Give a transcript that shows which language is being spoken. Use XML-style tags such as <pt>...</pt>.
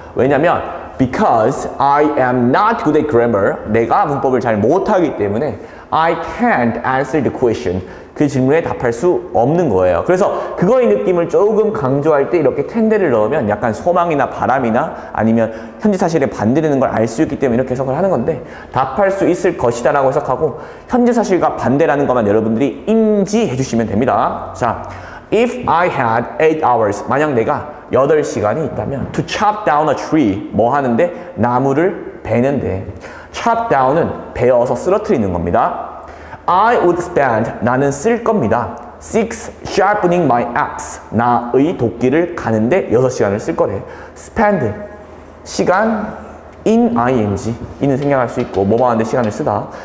<ko>왜냐면</ko> <en>because I am not good at grammar,</en> <ko>내가 문법을 잘 못하기 때문에</ko> <en>I can't answer the question,</en> <ko>그 질문에 답할 수 없는 거예요. 그래서 그거의 느낌을 조금 강조할 때 이렇게 텐데를 넣으면 약간 소망이나 바람이나 아니면 현재 사실에 반대되는 걸 알 수 있기 때문에 이렇게 해석을 하는 건데, 답할 수 있을 것이다 라고 해석하고 현재 사실과 반대라는 것만 여러분들이 인지해 주시면 됩니다.</ko> <en>자, if I had 8 hours,</en> <ko>만약 내가 8시간이 있다면</ko> <en>to chop down a tree,</en> <ko>뭐 하는데? 나무를 베는데. chop down은 베어서 쓰러뜨리는 겁니다.</ko> <en>I would spend,</en> <ko>나는 쓸 겁니다.</ko> <en>6 sharpening my axe,</en> <ko>나의 도끼를 가는데 6시간을 쓸 거래. spend, 시간, in ing, 이는 생략할 수 있고 뭐뭐 하는데 시간을 쓰다.</ko>